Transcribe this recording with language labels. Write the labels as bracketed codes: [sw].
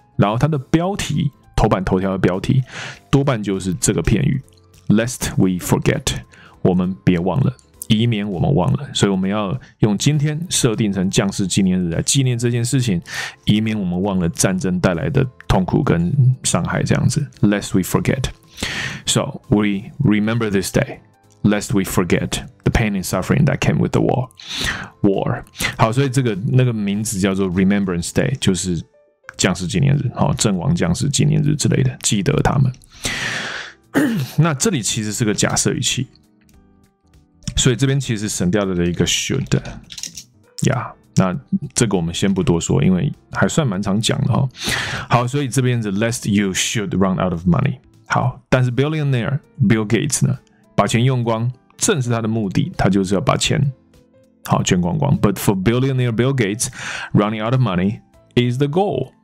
[zh] 然后他的标题，头版头条的标题，多半就是这个片语 ， [en] lest we forget， [zh] 我们别忘了，以免我们忘了。所以我们要用今天设定成将士纪念日来纪念这件事情，以免我们忘了战争带来的痛苦跟伤害。这样子 [en] ，lest we forget， so we remember this day。 Lest we forget the pain and suffering that came with the war. [zh] War. 好，所以这个那个名字叫做 Remembrance Day， 就是将士纪念日，好，阵亡将士纪念日之类的，记得他们。那这里其实是个假设语气，所以这边其实省掉了一个 should。 Yeah， 那这个我们先不多说，因为还算蛮常讲的哈。好，所以这边是 [en] Lest you should run out of money。 [zh] 好，但是 [en] billionaire Bill Gates 呢？ [zh] 把钱用光正是他的目的，他就是要把钱好捐光光。 [en] But for billionaire Bill Gates, running out of money is the goal.